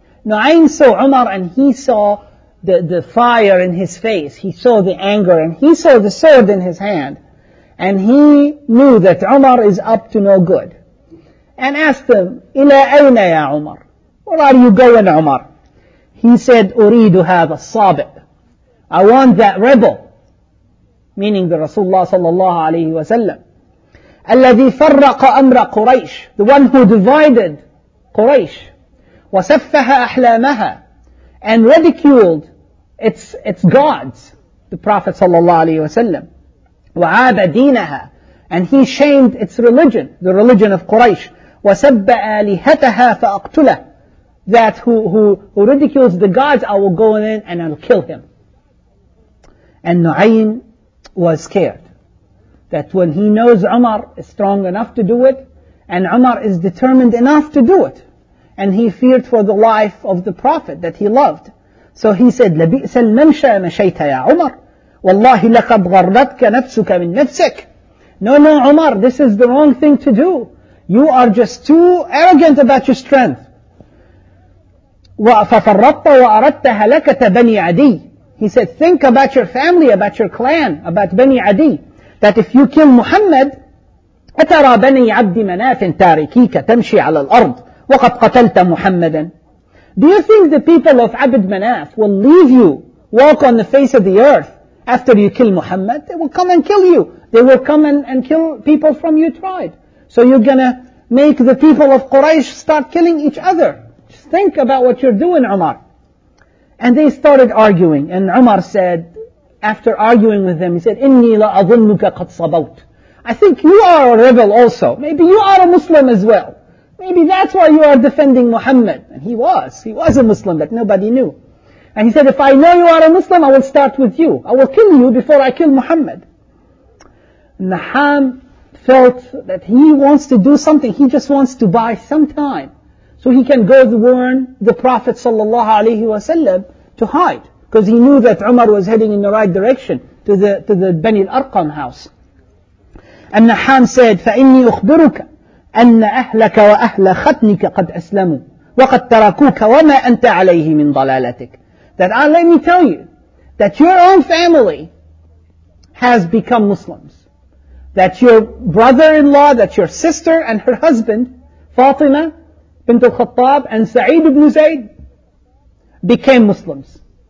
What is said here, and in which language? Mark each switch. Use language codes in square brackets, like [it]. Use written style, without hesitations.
[en] Nu'aym saw Umar and he saw the fire in his face. He saw the anger and he saw the sword in his hand. And he knew that Umar is up to no good. And asked him, [ar] إِلَىٰ أَيْنَ يَا [en] Umar? Where are you going, Umar? He said, [ar] أُرِيدُ هَذَا الصَّابِعُ. [en] I want that rebel. Meaning the Rasulullah sallallahu alayhi wa sallam. [ar] الَّذِي فَرَّقَ أَمْرَ قُرَيْشِ. [en] The one who divided Quraysh. [ar] وَسَفَّهَ أَحْلَامَهَا. [en] And ridiculed its gods, the Prophet sallallahu alayhi wa sallam. [ar] وَعَابَ دِينَهَا. [en] And he shamed its religion, the religion of Quraysh. [ar] وَسَبَّ آلِهَتَهَا فَأَقْتُلَهُ. [en] That who ridicules the gods, I will go in and I'll kill him. And Nu'aym was scared. That when he knows Umar is strong enough to do it, and Umar is determined enough to do it, and he feared for the life of the Prophet that he loved. So he said, [ar] لَبِئْسَ الْمَمْشَى مَشَيْتَ يَا عُمَرْ. وَاللَّهِ لَقَدْ غَرَّتْكَ نَفْسُكَ مِنْ نَفْسِكَ. [en] No, no, Umar, this is the wrong thing to do. You are just too arrogant about your strength. [ar] وَفَفَرَّطَ وَأَرَدْتَ هَلَكَةَ بَنِي عَدِي. [en] He said, think about your family, about your clan, about Bani Adi. That if you kill Muhammad, [ar] أَتَرَى بَنِي عَبْدِ مَنَافٍ تَارِكِيكَ تَمْشِي عَلَى الْأَرْضِ وَقَدْ قَتَلْتَ مُحَمَّدًا. [en] Do you think the people of Abd Manaf will leave you walk on the face of the earth? After you kill Muhammad, they will come and kill you. They will come and kill people from your tribe. So you're gonna make the people of Quraysh start killing each other. Just think about what you're doing, Umar. And they started arguing. And Umar said, after arguing with them, he said, [ar] إِنِّي لَأَظُنُّكَ قَدْ صَبَوْتُ. [en] I think you are a rebel also. Maybe you are a Muslim as well. Maybe that's why you are defending Muhammad. And he was. He was a Muslim that nobody knew. And he said, if I know you are a Muslim, I will start with you. I will kill you before I kill Muhammad. Naham felt that he wants to do something. He just wants to buy some time. So he can go to warn the Prophet sallallahu alaihi wasallam to hide. Because he knew that Umar was heading in the right direction to the Bani al-Arqam house. And Naham said, [ar] فَإِنِّي أُخْبِرُكَ أَنَّ أَهْلَكَ وَأَهْلَ خَتْنِكَ قَدْ أَسْلَمُوا وَقَدْ تَرَكُوكَ وَمَا أَنْتَ عَلَيْهِ مِنْ ضَلَالَتِكَ. [en] That let me tell you, that your own family has become Muslims. That your brother-in-law, that your sister and her husband, Fatima bint al-Khattab and Sa'id ibn Zayd, became Muslims.